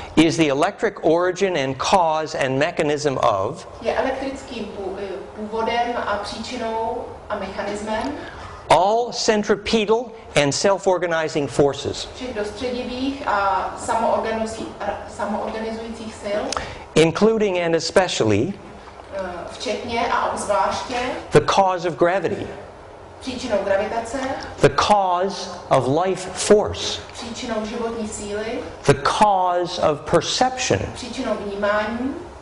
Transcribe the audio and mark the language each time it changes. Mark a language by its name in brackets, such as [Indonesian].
[English] is the electric origin and cause and mechanism of [Czech] je elektrickým původem a příčinou a mechanismem [English] all centripetal and self-organizing forces [Czech] všech dostředivých a samoorganizujících sil [English] including and especially [Czech] včetně a obzvláště [English] the cause of gravity [Czech] příčinou gravitace, [English] the cause of life force, [Czech] příčinou životní síly, [English] the cause of perception. [Czech] Příčinou vnímání.